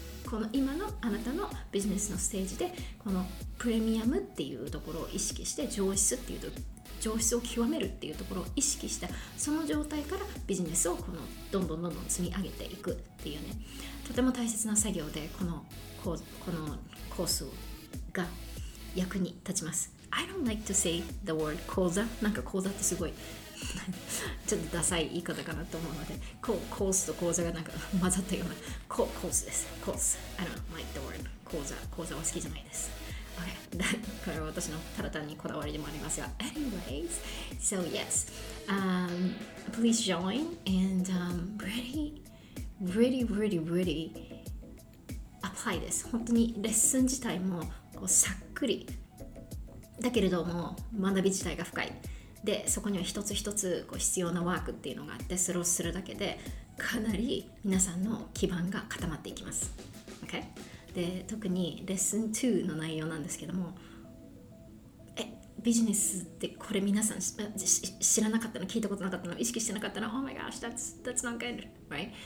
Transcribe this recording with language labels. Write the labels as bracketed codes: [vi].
[ja] この今のあなたのビジネスのステージでこのプレミアムっていうところを意識して、上質っていうと上質を極めるっていうところを意識した、その状態からビジネスをこのどんどんどんどん積み上げていくっていうね、とても大切な作業で、このコースが役に立ちます。 [en] I don't like to say the word 講座。 [ja] なんか講座ってすごいちょっとダサい言い方かなと思うので、コースと講座がなんか混ざったような、コースです。 [en] コース。I don't like the word 講座。 [ja] 講座は好きじゃないです。 [en] Okay. [ja] これは私のただ単にこだわりでもありますが。 [en] Anyways, so yes,、please join and、really, really, really, really apply this. [ja] 本当にレッスン自体もこうさっくり。だけれども学び自体が深い。でそこには一つ一つこう必要なワークっていうのがあって、それをするだけでかなり皆さんの基盤が固まっていきます。 OK? で特にレッスン2の内容なんですけども、ビジネスってこれ皆さん知らなかったの、聞いたことなかったの、意識してなかったの、 [en] Oh my gosh, that's not good, right?